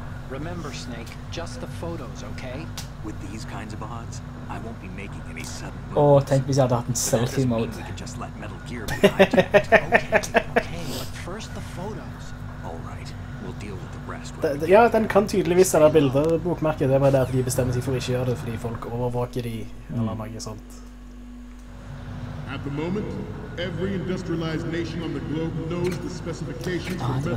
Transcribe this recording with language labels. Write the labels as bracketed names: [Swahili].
[English] Remember, Snake, just the photos, okay? With these kinds of odds, I won't be making any sudden moves. [Norwegian] Oh, tenk hvis jeg hadde hatt en selfie mode. [English] We could just let Metal Gear be hijacked. Okay, but first the photos. All right, we'll deal with the rest. [Norwegian] Ja, den kan tydeligvis være bilder. Bokmerket er bare det at de bestemmer seg for å ikke gjøre det, fordi folk overvåker de, eller noe sånt. [English] At the moment, every industrialized nation on the globe knows the specifications for Metal Gear.